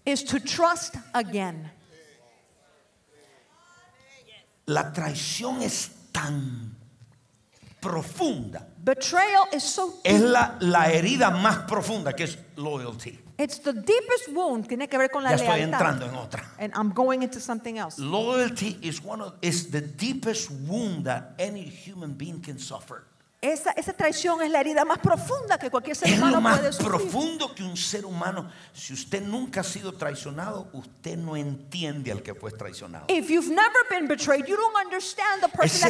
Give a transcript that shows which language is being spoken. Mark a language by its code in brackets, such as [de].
[en] Is to trust again. [es] La traición es tan profunda. [en] Betrayal is so deep. [es] Es la herida más profunda, que es loyalty. [en] It's the deepest wound. [es] Tiene que ver con la lealtad. Ya estoy entrando en otra. [en] And I'm going into something else. Loyalty is one of is the deepest wound that any human being can suffer. [es] Esa traición es la herida más profunda que cualquier ser humano puede sufrir. Es lo más profundo que un ser humano. Si usted nunca ha sido traicionado, usted no entiende al que fue traicionado. [en] If you've never been betrayed, you don't understand the person